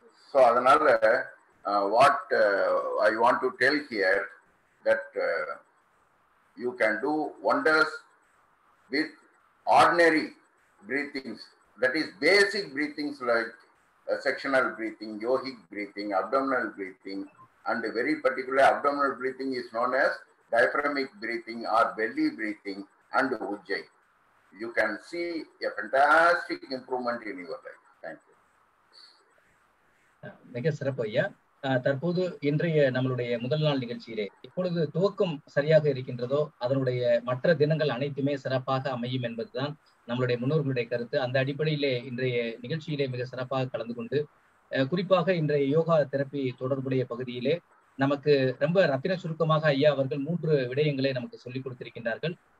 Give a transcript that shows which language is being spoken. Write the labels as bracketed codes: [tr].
[en] So அதனால what I want to tell here that you can do wonders with ordinary breathings, that is basic breathings like sectional breathing, yogic breathing, abdominal breathing, and very particular abdominal breathing is known as diaphragmic breathing or belly breathing and Ujjayi. You can see a fantastic improvement in your life. Thank you. [ta] மிகச் சிறப்பு ஐயா. தற்போது இன்றைய நம்மளுடைய முதல் நாள் நிகழ்ச்சியிலே இப்பொழுது துவக்கம் சரியாக இருக்கின்றதோ அதனுடைய மற்ற தினங்கள் அனைத்துமே சிறப்பாக அமையும் என்பதுதான் நம்மளுடைய முன்னோர்களுடைய கருத்து. அந்த அடிப்படையிலே இன்றைய நிகழ்ச்சியிலே மிக சிறப்பாக கலந்து கொண்டு குறிப்பாக இன்றைய யோகா தெரப்பி தொடர்புடைய பகுதியிலே நமக்கு ரொம்ப ரத்தின சுருக்கமாக ஐயா அவர்கள் மூன்று விடயங்களை நமக்கு சொல்லிக் கொடுத்திருக்கின்றார்கள்.